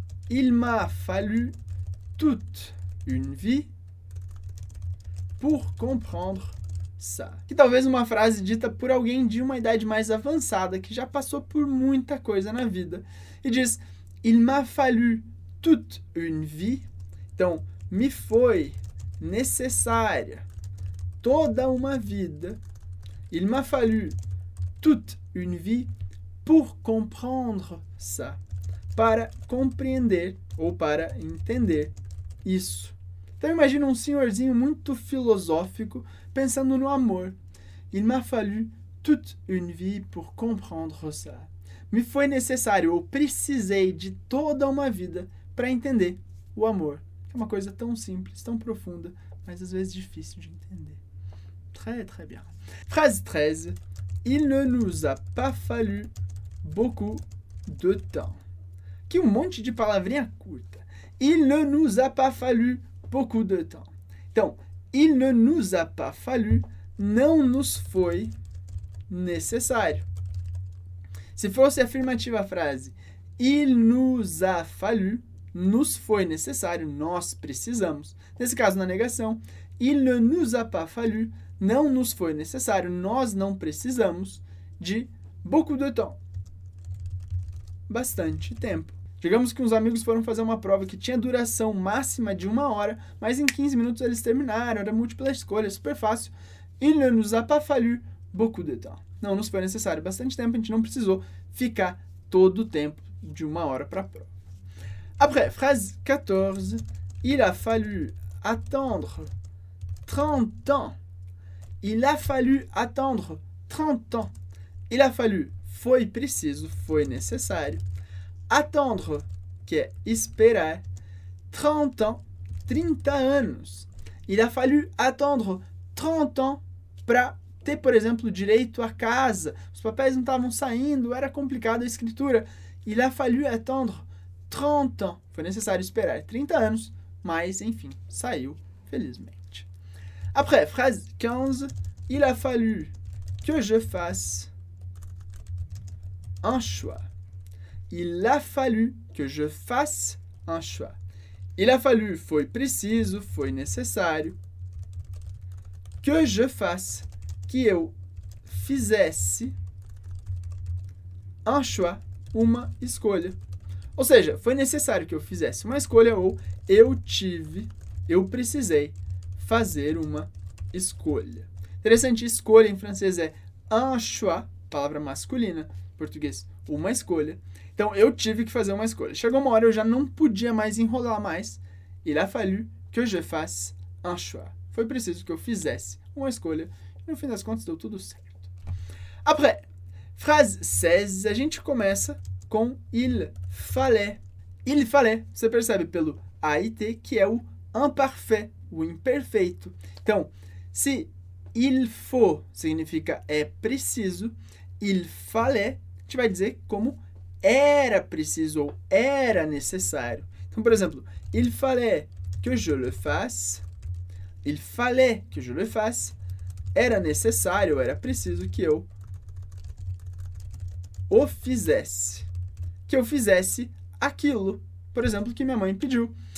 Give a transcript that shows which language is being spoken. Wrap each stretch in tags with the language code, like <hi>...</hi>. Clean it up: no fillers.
<fr>Il m'a fallu toute une vie pour comprendre ça.</fr> <pt>Que talvez uma frase dita por alguém de uma idade mais avançada, que já passou por muita coisa na vida. E diz,</pt> <fr>il m'a fallu toute une vie,</fr> <pt>então, me foi necessária toda uma vida,</pt> <fr>il m'a fallu toute une vie pour comprendre ça,</fr> <pt>para compreender ou para entender isso. Então, imagina um senhorzinho muito filosófico pensando no amor.</pt> <fr>Il m'a fallu toute une vie pour comprendre ça.</fr> <pt>Me foi necessário ou precisei de toda uma vida para entender o amor. É uma coisa tão simples, tão profunda, mas às vezes difícil de entender.</pt> <fr>Très, très bien. Phrase 13. Il ne nous a pas fallu beaucoup de temps.</fr> <pt>Que um monte de palavrinha curta.</pt> <fr>Il ne nous a pas fallu beaucoup de temps.</fr> <pt>Então,</pt> <fr>il ne nous a pas fallu,</fr> <pt>não nos foi necessário. Se fosse a afirmativa a frase,</pt> <fr>il nous a fallu,</fr> <pt>nos foi necessário, nós precisamos. Nesse caso, na negação,</pt> <fr>il ne nous a pas fallu,</fr> <pt>não nos foi necessário, nós não precisamos de</pt> <fr>beaucoup de temps.</fr> <pt>Bastante tempo. Digamos que uns amigos foram fazer uma prova que tinha duração máxima de 1 hora, mas em 15 minutos eles terminaram, era múltipla escolha, super fácil.</pt> <fr>Il ne nous a pas fallu beaucoup de temps.</fr> <pt>Não nos foi necessário bastante tempo, a gente não precisou ficar todo o tempo de 1 hora para a prova.</pt> <fr>Après, phrase 14, il a fallu attendre 30 ans. Il a fallu attendre 30 ans. Il a fallu,</fr> <pt>foi preciso, foi necessário. Attendre, que é esperar, 30 ans, 30 anos.</pt> <fr>Il a fallu attendre 30 ans</fr> <pt>para ter, por exemplo, direito à casa. Os papéis não estavam saindo, era complicado a escritura.</pt> <fr>Il a fallu attendre 30 ans.</fr> <pt>Foi necessário esperar 30 anos, mas enfim, saiu felizmente.</pt> <fr>Après, phrase 15. Il a fallu que je fasse un choix. Il a fallu que je fasse un choix. Il a fallu,</fr> <pt>foi preciso, foi necessário.</pt> <fr>Que je fasse,</fr> <pt>que eu fizesse</pt> <fr>un choix,</fr> <pt>uma escolha. Ou seja, foi necessário que eu fizesse uma escolha ou eu tive, eu precisei fazer uma escolha. Interessante, escolha em francês é un choix, palavra masculina, em português, uma escolha. Então, eu tive que fazer uma escolha. Chegou uma hora, eu já não podia mais enrolar mais.</pt> <fr>Il a fallu que je fasse un choix.</fr> <pt>Foi preciso que eu fizesse uma escolha. No fim das contas, deu tudo certo. Après, phrase 16, a gente começa com</pt> <fr>il fallait. Il fallait,</fr> <pt>você percebe pelo AIT, que é o imparfait, o imperfeito. Então, se</pt> <fr>il faut</fr> <pt>significa é preciso,</pt> <fr>il fallait,</fr> <pt>a gente vai dizer como era preciso ou era necessário. Então, por exemplo,</pt> <fr>il fallait que je le fasse. Il fallait que je le fasse.</fr> <pt>Era necessário, era preciso que eu o fizesse. Que eu fizesse aquilo, por exemplo, que minha mãe pediu.</pt>